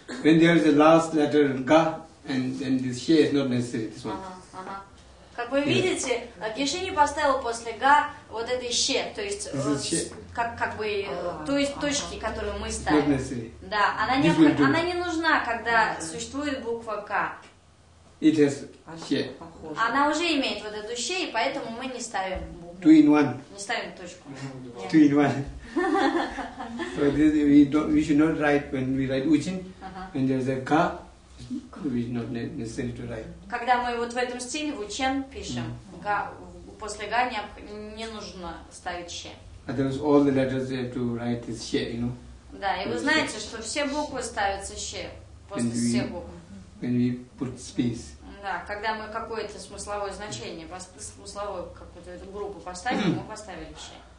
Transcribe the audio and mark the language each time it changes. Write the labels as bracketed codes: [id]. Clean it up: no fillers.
[en] When there is the last letter, га, and then this she is not necessary, this one. [ru] Как вы yes. видите, Гиши не поставил после га вот это ще, то есть как бы то есть точки, которые мы ставим. Да, она не нужна, когда существует буква к. [en] It has ще. [ru] Она уже имеет вот эту ще, и поэтому мы не ставим букву. [en] Two in one. [ru] Не ставим точку. [en] Two in one. So this, we should not write when we write учин, when there is a га. [ru] Когда мы вот в этом стиле в учен пишем, после га не нужно ставить ще. [en] And there's all the letters you have to write is ще, you know. [ru] Да, и вы знаете, что все буквы ставятся ще после всех букв. [en] When we put space. [ru] Да, когда мы какое-то смысловое значение, смысловую какую-то группу поставили, мы поставили ще.